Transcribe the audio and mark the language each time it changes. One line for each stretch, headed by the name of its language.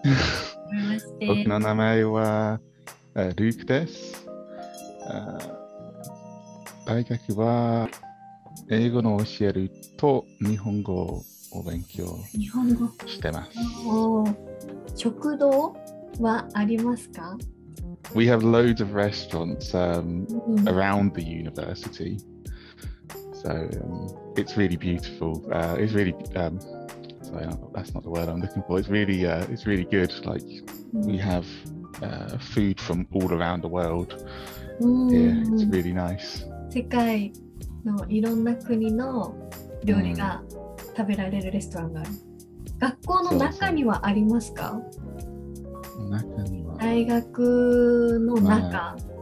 Japanese: はじめまして。僕の名前はルークです。大学は英語の教えると日本語を勉強してます。食堂はありますか？
English: We have loads of restaurants、around the university. So、it's really beautiful.、it's really、sorry, that's not the word I'm looking for. It's really good. Like, we have、food from all around the world. Yeah, it's really nice.
Japanese: 世界のいろんな国の料理が食べられるレストランがある。学校の中にはありますか？そうそう、中には大学の中、まあ、